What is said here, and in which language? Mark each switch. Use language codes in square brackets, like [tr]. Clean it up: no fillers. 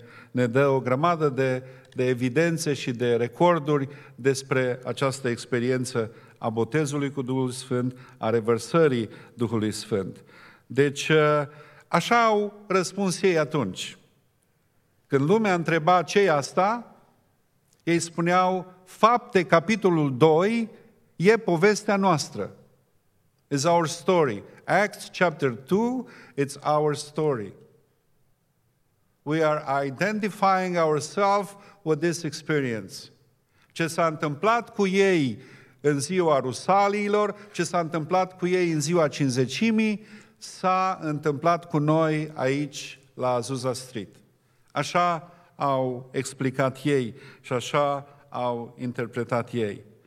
[ro] ne dă o grămadă de evidențe și de recorduri despre această experiență a botezului cu Duhul Sfânt, a revărsării Duhului Sfânt. Deci, așa au răspuns ei atunci. Când lumea întreba ce e asta, ei spuneau, Fapte, capitolul 2, e povestea noastră. [en] It's our story. Acts, chapter 2, it's our story. We are identifying ourselves with this experience. [ro] Ce s-a întâmplat cu ei în ziua Rusaliilor, ce s-a întâmplat cu ei în ziua Cinzecimii, s-a întâmplat cu noi aici la Azusa Street. Așa au explicat ei și așa au interpretat ei.